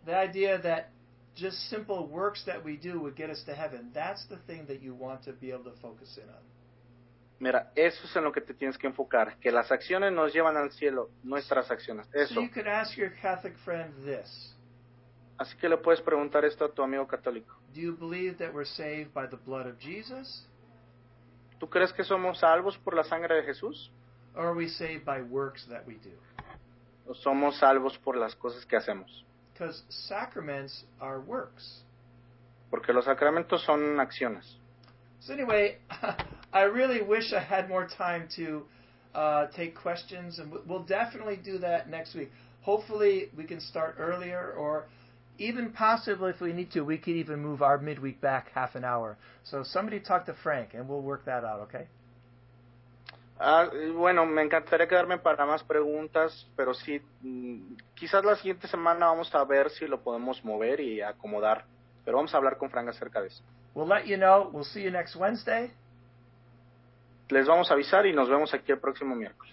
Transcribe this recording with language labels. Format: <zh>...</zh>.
<en>The idea that just simple works that we do would get us to heaven. That's the thing that you want to be able to focus in on.</en> <es>Mira, eso es en lo que te tienes que enfocar. Que las acciones nos llevan al cielo, nuestras acciones. Eso.</es> <en>So you could ask your Catholic friend this.</en> <es>Así que le puedes preguntar esto a tu amigo católico.</es> <en>Do you believe that we're saved by the blood of Jesus?</en> <es>¿Tú crees que somos salvos por la sangre de Jesús?</es> <en>Or are we saved by works that we do?</en> <es>¿O somos salvos por las cosas que hacemos?</es> <en>Because sacraments are works.</en> <es>Porque los sacramentos son acciones.</es> <en>So anyway, I really wish I had more time to take questions, and we'll definitely do that next week. Hopefully we can start earlier, or even possibly if we need to, we could even move our midweek back half an hour. So somebody talk to Frank, and we'll work that out, okay?</en> <es>Bueno, me encantaría quedarme para más preguntas, pero sí, quizás la siguiente semana vamos a ver si lo podemos mover y acomodar, pero vamos a hablar con Frank acerca de eso.</es> <en>We'll let you know. We'll see you next Wednesday.</en> <es>Les vamos a avisar y nos vemos aquí el próximo miércoles.</es>